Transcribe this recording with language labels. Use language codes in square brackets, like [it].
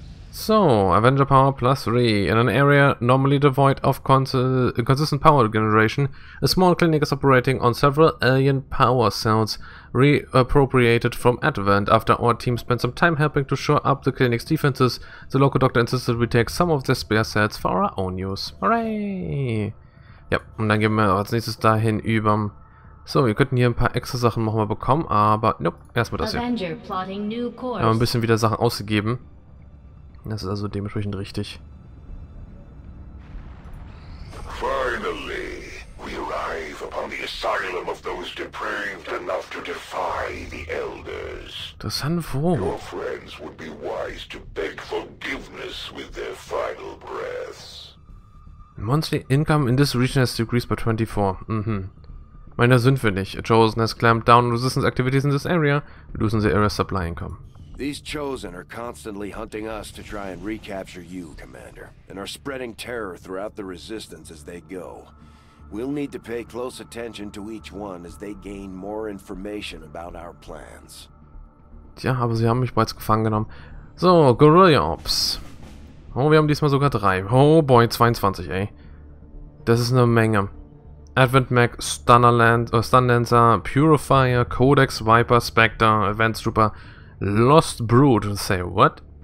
[en] So, Avenger Power plus 3. In an area normally devoid of consistent power generation, a small clinic is operating on several alien power cells reappropriated from Advent. After our team spent some time helping to shore up the clinic's defenses, the local doctor insisted we take some of the spare cells for our own use. Hooray! [de] Yep, und dann gehen wir als nächstes dahin über. So, wir könnten hier ein paar extra Sachen nochmal bekommen, aber nope, erstmal das hier. [en] Avenger plotting new course. [de] Wir haben ein bisschen wieder Sachen ausgegeben. Das ist also dementsprechend richtig. [en] Finally, we arrive upon the asylum of those depraved enough to defy the elders. [de] Das sind wo? [en] Your friends would be wise to beg forgiveness with their final breaths. Monthly income in this region has decreased by 24. Mhm. [de] Meine sind wir nicht. [en] A Chosen has clamped down resistance activities in this area, losing the area's supply income. These Chosen are constantly hunting us to try and recapture you, Commander, and are spreading terror throughout the Resistance as they go. We'll need to pay close attention to each one as they gain more information about our plans. [de] Tja, aber sie haben mich bereits gefangen genommen. So, Guerilla Ops. Oh, wir haben diesmal sogar drei. Oh boy, 22, ey. Das ist eine Menge. [en] Advent Mech, Stunlancer, Purifier, Codex, Viper, Spectre, Advanced Trooper, Lost Brood, say what?